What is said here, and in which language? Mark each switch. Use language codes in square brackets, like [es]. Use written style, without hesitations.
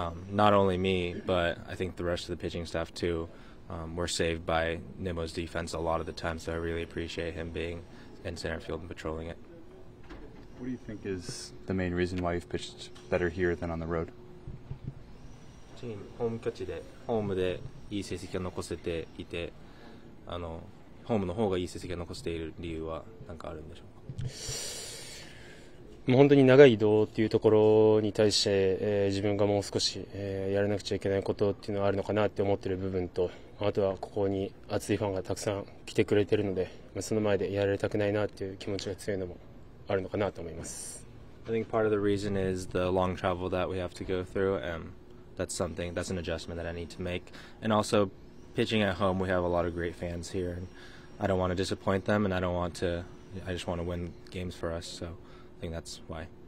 [en] Not only me, but I think the rest of the pitching staff too were saved by Nimmo's defense a lot of the time, so I really appreciate him being in center field and patrolling it. What do you think is the main reason why you've pitched better here than on the road? [ja] ホームキャッチでホームでいい成績を残せていて、ホームの方がいい成績を残している理由は何かあるんでしょうか。もう本当に長い移動というところに対して、自分がもう少し、やらなくちゃいけないことっていうのはあるのかなって思ってる部分と、あとはここに熱いファンがたくさん来てくれてるので、まあ、その前でやられたくないなっていう気持ちが強いのもあるのかなと思います。 [en] I think part of the reason is the long travel that we have to go through, and that's something, that's an adjustment that I need to make. And also, pitching at home, we have a lot of great fans here, and I don't want to disappoint them, and I just want to win games for us, so. That's why.